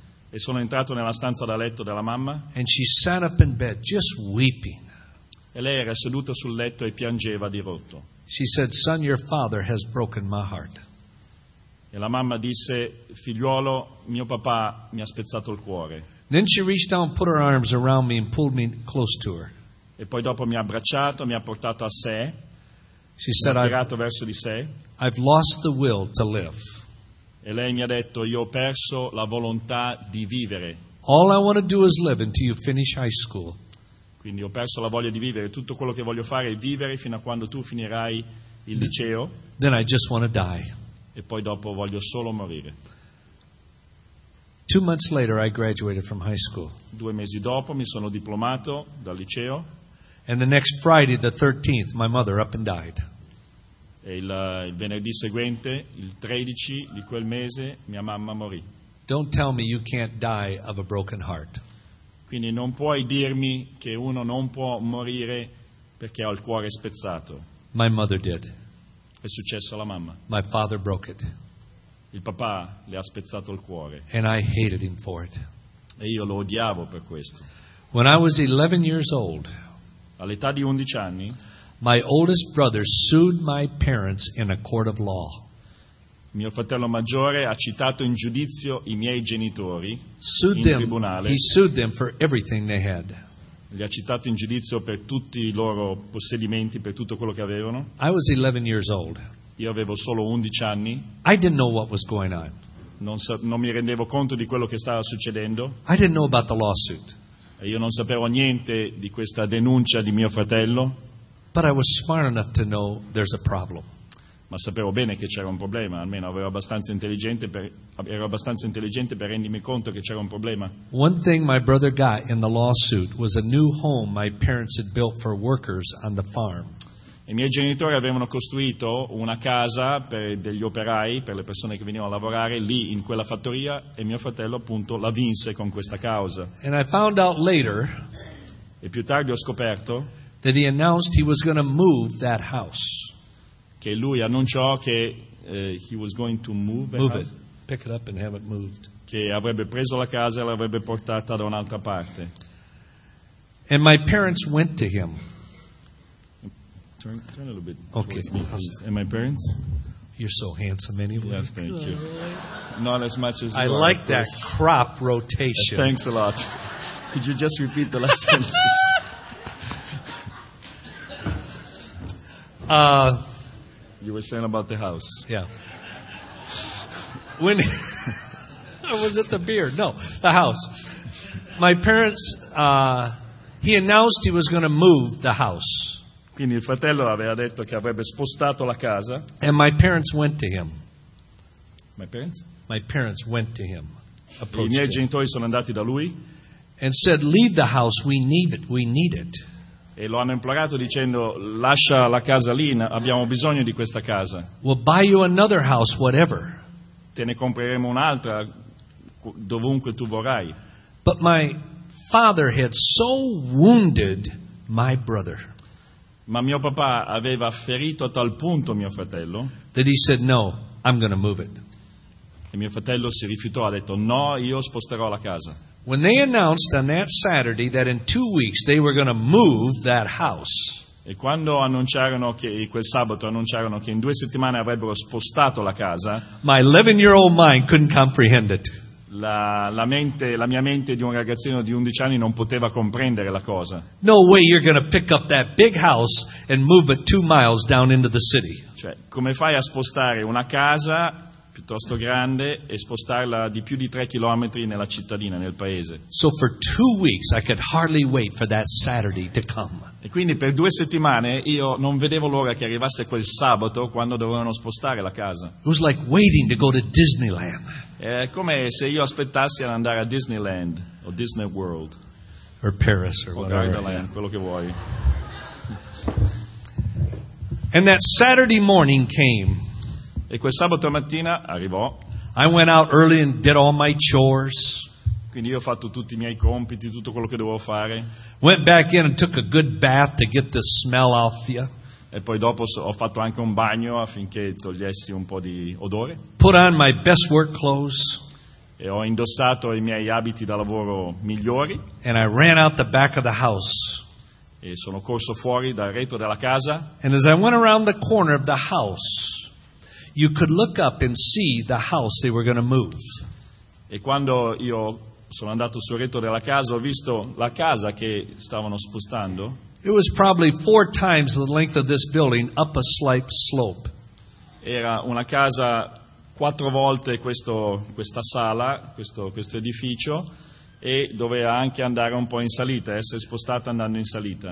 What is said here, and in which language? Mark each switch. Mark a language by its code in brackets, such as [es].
[it] E sono entrato nella stanza da letto della mamma. [en] And she sat up in bed, just weeping. [it] E lei era seduta sul letto e piangeva dirotto. [en] She said, "Son, your father has broken my heart." [it] E la mamma disse, "Figliuolo, mio papà mi ha spezzato il cuore." [en] Then she reached down, put her arms around me, and pulled me close to her. [it] E poi dopo mi ha abbracciato, mi ha portato a sé. [en] She said, "I've lost the will to live." [it] E lei mi ha detto, "Io ho perso la volontà di vivere." [en] All I want to do is live until you finish high school. [it] Quindi ho perso la voglia di vivere. Tutto quello che voglio fare è vivere fino a quando tu finirai il liceo. [en] Then I just want to die. [it] E poi dopo voglio solo morire. [en] 2 months later, I graduated from high school. [it] 2 mesi dopo mi sono diplomato dal liceo. [en] And the next Friday, the 13th, my mother up and died. [it] E il venerdì seguente, il 13 di quel mese, mia mamma morì. [en] Don't tell me you can't die of a broken heart. [it] Quindi non puoi dirmi che uno non può morire perché ha il cuore spezzato. [en] My mother did. [it] È successo alla mamma. [en] My father broke it. [it] Il papà le ha spezzato il cuore. [en] And I hated him for it. [it] E io lo odiavo per questo. [en] When I was 11 years old, [it] all'età di 11 anni, [en] my oldest brother sued my parents in a court of law. [it] Mio fratello maggiore ha citato in giudizio i miei genitori [en] sued in them. [it] Tribunale. [en] He sued them for everything they had. [it] Li ha citato in giudizio per tutti i loro possedimenti, per tutto quello che avevano. [en] I was 11 years old. [it] Io avevo solo 11 anni. [en] I didn't know what was going on. [it] Non mi rendevo conto di quello che stava succedendo. [en] I didn't know about the lawsuit. [it] E io non sapevo niente di questa denuncia di mio fratello. [en] But I was smart enough to know there's a problem. [it] Ma sapevo bene che c'era un problema, almeno ero abbastanza intelligente per rendermi conto che c'era un problema. [en] One thing my brother got in the lawsuit was a new home my parents had built for workers on the farm. [it] I miei genitori avevano costruito una casa per degli operai, per le persone che venivano a lavorare lì in quella fattoria, e mio fratello appunto la vinse con questa causa. [en] And I found out later, [it] e più tardi ho scoperto, [en] that he announced he was going to move that house. [it] Che lui annunciò che [en] he was going to move, move it, pick it up and have it moved. [it] Che avrebbe preso la casa e l'avrebbe portata da un'altra parte. [en] And my parents went to him. Turn a little bit. Okay. And my parents? You're so handsome anyway. Yes, thank you. Not as much as I you like are, that course. Crop rotation. Thanks a lot. Could you just repeat the last sentence? You were saying about the house. Yeah. When or was it the beard? No, the house. My parents, he announced he was going to move the house. [it] Quindi il fratello aveva detto che avrebbe spostato la casa. [en] And my parents went to him. My parents? My parents went to him. [it] I miei genitori sono andati da lui. [en] And said, "Leave the house, we need it, we need it." [it] E lo hanno implorato dicendo, "Lascia la casa lì, abbiamo bisogno di questa casa." [en] We'll buy you another house, whatever. [it] Te ne compreremo un'altra, dovunque tu vorrai. [en] But my father had so wounded my brother. [it] Ma mio papà aveva ferito a tal punto mio fratello. [en] That he said, "No, I'm going to move it." [it] E mio fratello si rifiutò, ha detto, "No, io sposterò la casa." [en] When they announced on that Saturday that in 2 weeks they were going to move that house. [it] E quando annunciarono che quel sabato annunciarono che in 2 settimane avrebbero spostato la casa. [en] My 11-year-old mind couldn't comprehend it. [it] La mia mente di un ragazzino di 11 anni non poteva comprendere la cosa. [en] No way you're going to pick up that big house and move it 2 miles down into the city. [it] Cioè, come fai a spostare una casa piuttosto grande e spostarla di più di 3 chilometri nella cittadina, nel paese. [en] So for 2 weeks I could hardly wait for that Saturday to come. [it] E quindi per 2 settimane io non vedevo l'ora che arrivasse quel sabato quando dovevano spostare la casa. [en] It was like waiting to go to Disneyland. [it] È come se io aspettassi ad andare a Disneyland o Disney World [en] or Paris or [it] o Gardaland, quello che vuoi. [en] And that Saturday morning came. [it] E quel sabato mattina arrivò. [en] I went out early and did all my chores. [it] Quindi io ho fatto tutti I miei compiti, tutto quello che dovevo fare. [en] Went back in and took a good bath to get the smell off you. [it] E poi dopo ho fatto anche un bagno affinché togliessi un po' di odore. [en] Put on my best work clothes. [it] E ho indossato I miei abiti da lavoro migliori. [en] And I ran out the back of the house. [it] E sono corso fuori dal retro della casa. [en] And as I went around the corner of the house, you could look up and see the house they were going to move. [it] E quando io sono andato sul retro della casa, ho visto la casa che stavano spostando. [en] It was probably 4 times the length of this building up a slight slope. [it] Era una casa 4 volte questa sala, questo edificio. E doveva anche andare un po' in salita, essere spostata andando in salita.